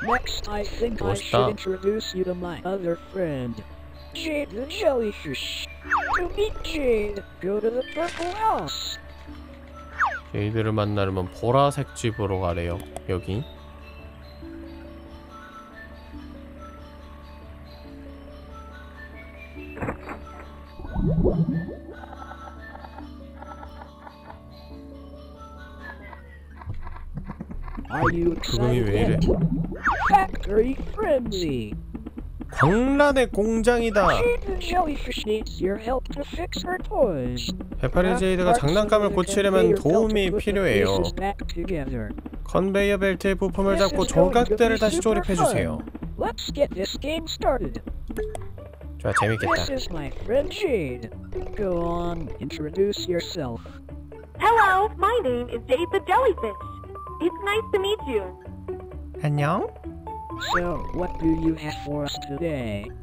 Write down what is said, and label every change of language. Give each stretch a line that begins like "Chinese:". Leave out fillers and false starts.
English: Next, I think
Korean: 멋있다.
English: I should introduce you to my other friend, Jade the Jellyfish. To meet Jade, go to the purple house.
Korean: 제이드를 만나려면 보라색 집으로 가래요. 여기. 죽음이 왜 이래?
English: Factory Frenzy.
Korean: 광란의 공장이다.
English: Jellyfish needs your help to fix her toys.
Korean: 해파리 제이드가 장난감을 고치려면 도움이 필요해요. 컨베이어 벨트의 부품을 잡고 조각대를 다시 조립해 주세요.
English: Let's get this game started.
Korean: 좋아, 재밌겠다.
English: This is my friend Jade. Go on, introduce yourself. Hello, my name is Jade the Jellyfish. It's nice to meet you.
Korean: 안녕.
English: So, what do you have for us today?